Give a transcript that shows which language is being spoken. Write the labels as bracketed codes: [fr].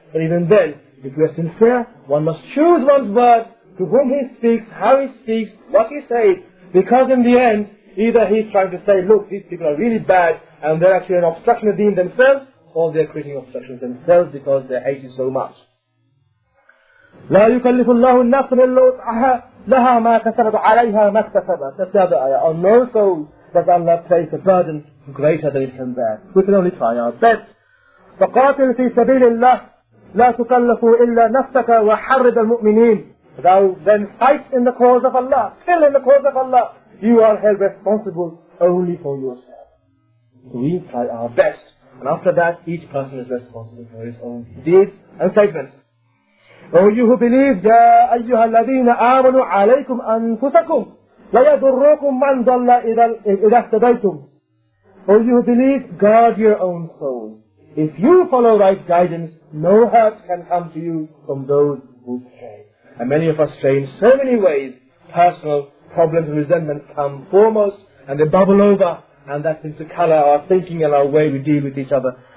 [en] But even then, if you are sincere, one must choose one's words, to whom he speaks, how he speaks, what he says. Because in the end, either he's trying to say, look, these people are really bad, and they're actually an obstruction of deen themselves, or they're creating obstructions themselves because they hate you so much. [ar] لا يكلف الله نفسا إلا وسعها لها ما كسبت عليها ما اكتسبت. [en] That's the other ayah. On no soul does Allah place a burden greater than it can bear. We can only try our best. [ar] فقاتل في سبيل الله لا تكلف إلا نفسك وحرد المؤمنين. [en] Thou then fight in the cause of Allah, kill in the cause of Allah. You are held responsible only for yourself. We try our best. And after that, each person is responsible for his own deeds and statements. O you who believe, [ar] يَا أَيُّهَا الَّذِينَ آمَنُوا عَلَيْكُمْ أَنفُسَكُمْ لَيَضُرُّكُمْ مَنْ ضَلَّ إِذَا اهْتَدَيْتُمْ. [en] O you who believe, guard your own souls. If you follow right guidance, no hurt can come to you from those who stray. And many of us stray in so many ways. Personal problems and resentments come foremost, and they bubble over, and that seems to colour our thinking and our way we deal with each other.